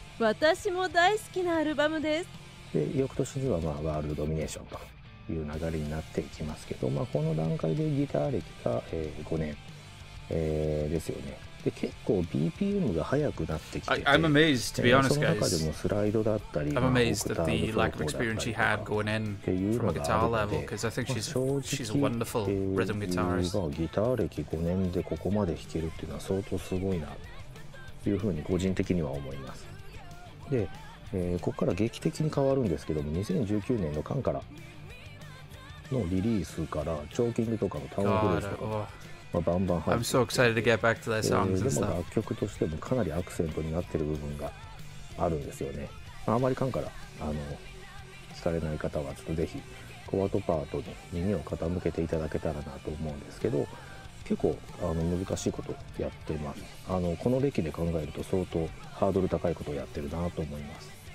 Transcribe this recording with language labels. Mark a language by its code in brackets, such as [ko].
[ja] 私も大好きなアルバムです。で翌年には、まあ、ワールドドミネーションという流れになっていきますけど、まあ、この段階でギター歴が、5年、ですよね。で結構 BPM が速くなってきてて、 [en] I'm amazed, to be honest, [ja] その中でもスライドだったり、 [en] I'm amazed at the lack of experience she had going in from a guitar level, because I think she's a wonderful rhythm guitarist. [ja] ギター歴5年でここまで弾けるっていうのは相当すごいなというふうに個人的には思います。で、ここから劇的に変わるんですけども、2019年のカンからのリリースからチョーキングとかのタウンブルースとか、 [en] I'm so excited to get back to their songs and stuff. [ja] でも楽曲としてもかなりアクセントになってる部分があるんですよね。あまり感から聞かれない方はちょっとぜひコバトパートに耳を傾けていただけたらなと思うんですけど、結構難しいことをやってます。この歴で考えると相当ハードル高いことをやってるなと思います。